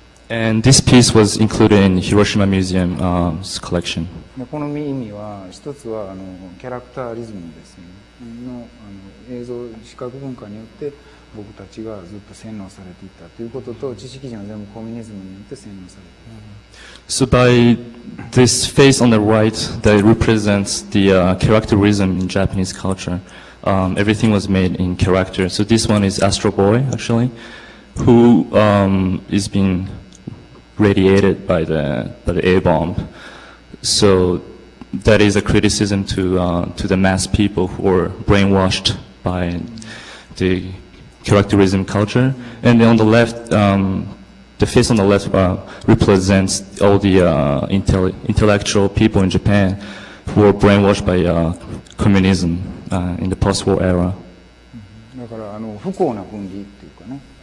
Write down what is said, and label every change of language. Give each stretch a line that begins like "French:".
English: And this piece was included in Hiroshima Museum's collection.
Japanese: この意味は一つはキャラクターリズムですね。の映像視覚文化によって僕たちがずっと洗脳されていたということと知識人は全部コミュニズムによって洗脳されている。
English: So by this face on the right that represents the characterism in Japanese culture, everything was made in character. So this one is Astro Boy actually, who is being radiated by the air bomb. So that is a criticism to the mass people who are brainwashed by the characterism culture. And on the left, the face on the left represents all the intellectual people in Japan who were brainwashed by communism in the post-war era.
Japanese: だから不幸な分離っていうかね、